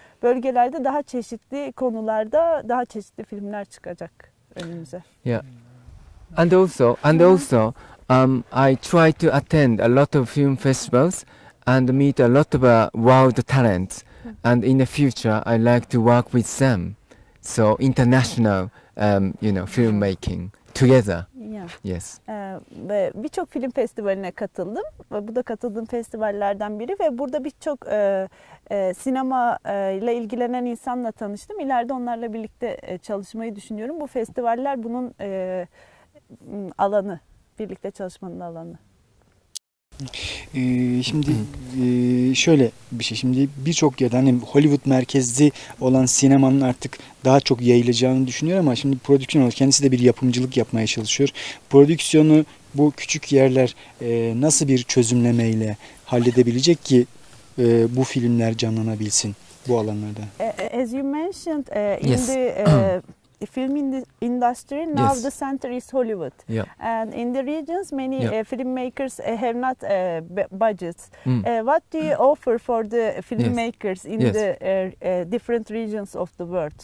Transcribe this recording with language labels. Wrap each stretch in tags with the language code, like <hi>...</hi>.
<tr>Bölgelerde daha çeşitli konularda daha çeşitli filmler çıkacak önümüze.</tr> <en>Yeah. And also I try to attend a lot of film festivals and meet a lot of world talents, and in the future I like to work with them. So international you know, filmmaking together. Yes.</en> <tr>Birçok film festivaline katıldım. Bu da katıldığım festivallerden biri ve burada birçok sinema ile ilgilenen insanla tanıştım. İleride onlarla birlikte çalışmayı düşünüyorum. Bu festivaller bunun alanı, birlikte çalışmanın alanı. Şimdi şöyle bir şey, şimdi birçok yerde hani Hollywood merkezli olan sinemanın artık daha çok yayılacağını düşünüyor ama şimdi prodüksiyon olarak kendisi de bir yapımcılık yapmaya çalışıyor. Prodüksiyonu bu küçük yerler nasıl bir çözümlemeyle halledebilecek ki bu filmler canlanabilsin bu alanlarda?</tr> <en>As you mentioned, yes. The film industry now yes. The center is Hollywood, yep. And in the regions many yep. Filmmakers have not budgets. What do you offer for the filmmakers yes. in yes. the different regions of the world?</en>